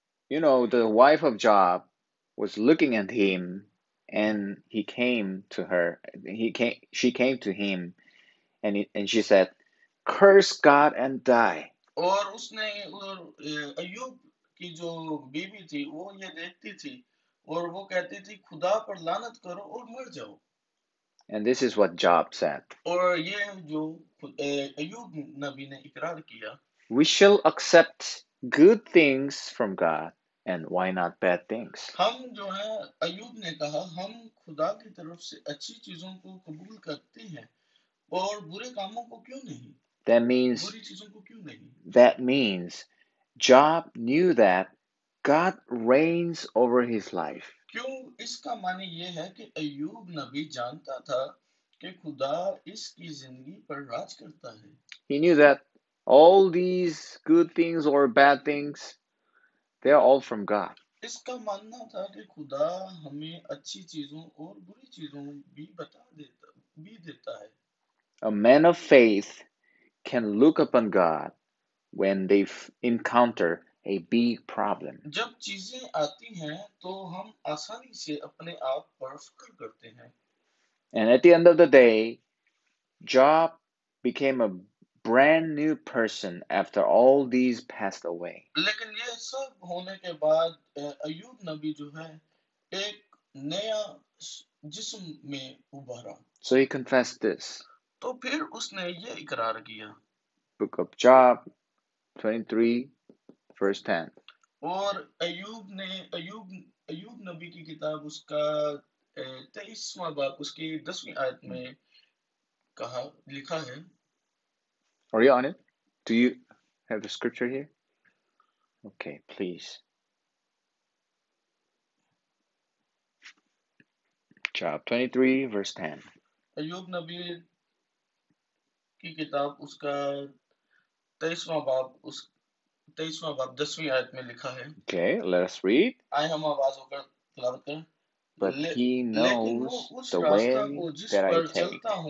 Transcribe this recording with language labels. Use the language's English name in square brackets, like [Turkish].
[English] You know, the wife of Job was looking at him and he came to her. She came to him and she said, Curse God and die. [Hindi] और उसने और अय्यूब की जो बीवी थी वो ये देखती थी और वो कहती थी खुदा पर लानत करो और मर जाओ। [English] And this is what Job said. [Hindi] और ये जो अय्यूब नबी ने इकरार किया, [English] We shall accept good things from God, and why not bad things? [Hindi] हम जो है अय्यूब ने कहा हम खुदा की तरफ से अच्छी चीजों को कबूल करते हैं और बुरे कामों को क्यों नहीं, [English] That means [Hindi] बुरी चीजों को क्यों नहीं। [English] Job knew that God reigns over his life. [Hindi] क्यों इसका माने ये है कि अय्यूब नबी जानता था कि खुदा इसकी जिंदगी पर राज करता है. [English] He knew that all these good things or bad things, they are all from God. [Hindi] इसका मानना था कि खुदा हमें अच्छी चीजों और बुरी चीजों भी बता देता भी देता है. [English] A man of faith can look upon God when they encounter a big problem. [Hindi] जब चीजें आती हैं तो हम आसानी से अपने आप पर फिक्र करते हैं. [English] And at the end of the day, Job became a brand new person after all these passed away. [Hindi] लेकिन ये सब होने के बाद अय्यूब नबी जो है एक नया जिस्म में उभरा. [English] So he confessed this. [Hindi] तो फिर उसने ये इकरार किया. [English] Book of Job 23, verse 10. [Hindi] और अय्यूब ने अय्यूब नबी की किताब उसका 23वां बाब उसकी 10वीं आयत में कहा लिखा है. [English] Are you on it? Do you have the scripture here? Okay, please. Job 23, verse 10. [Hindi] अय्यूब नबी की किताब उसका 23वां बाब उस 23वां बाब 10वीं आयत में लिखा है. [English] Okay, let us read. [Hindi] आए हम आवाज होकर तिलावत करें. [English] But he knows the way that I take.